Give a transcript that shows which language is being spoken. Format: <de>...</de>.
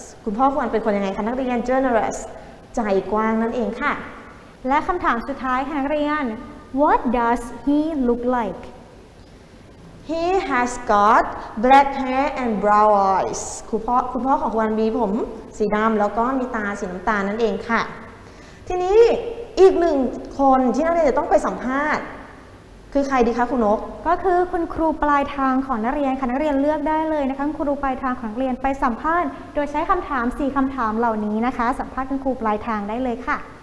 <th>คุณพ่อควรเป็นคนยังไงคะนักเรียน generousใจกว้างนั่นเองค่ะ และคำถามสุดท้ายค่ะนักเรียน</th> <en>What does he look like? He has got black hair and brown eyes.</en> <th>คุณพ่อของควันมีผมสีดำแล้วก็มีตาสีน้ำตาลนั่นเองค่ะทีนี้อีกหนึ่งคนที่นักเรียนจะต้องไปสัมภาษณ์คือใครดีคะคุณนก ก็คือคุณครูปลายทางของนักเรียนค่ะนักเรียนเลือกได้เลยนะคะครูปลายทางของนักเรียนไปสัมภาษณ์โดยใช้คำถาม4คำถามเหล่านี้นะคะสัมภาษณ์คุณครูปลายทางได้เลยค่ะ</th>